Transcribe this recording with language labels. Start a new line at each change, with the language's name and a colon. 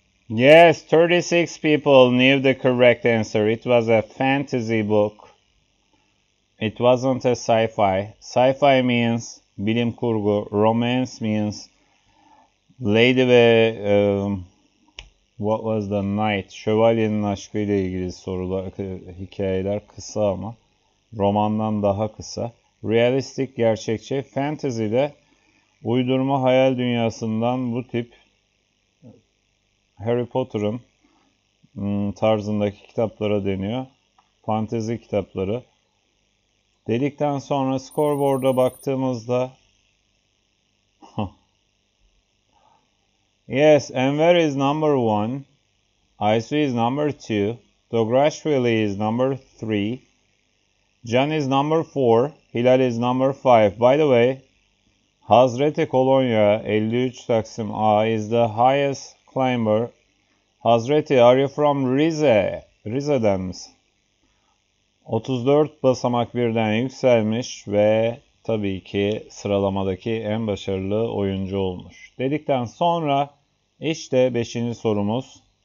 English: Yes, 36 people knew the correct answer. It was a fantasy book. It wasn't a sci-fi. Sci-fi means
Turkish: bilim kurgu.
English: Romance means lady ve what was the knight?
Turkish: Şövalyenin aşkı ile ilgili sorular, hikayeler kısa ama romandan daha kısa. Realistic, gerçekçi. Fantasy de uydurma hayal dünyasından bu tip Harry Potter'ın tarzındaki kitaplara deniyor. Fantezi kitapları. Dedikten sonra scoreboard'a baktığımızda
English: yes, Enver is number one. Aysu is number two. Dograshvili is number three. Can is number four. Hilal is number five. By the way, Hazreti Kolonya 53 Taksim A is the highest climber. Hazreti, are you from Rize?
Turkish: Rize'den misin? 34 basamak birden yükselmiş ve tabii ki sıralamadaki en başarılı oyuncu olmuş. Dedikten sonra işte 5. sorumuz.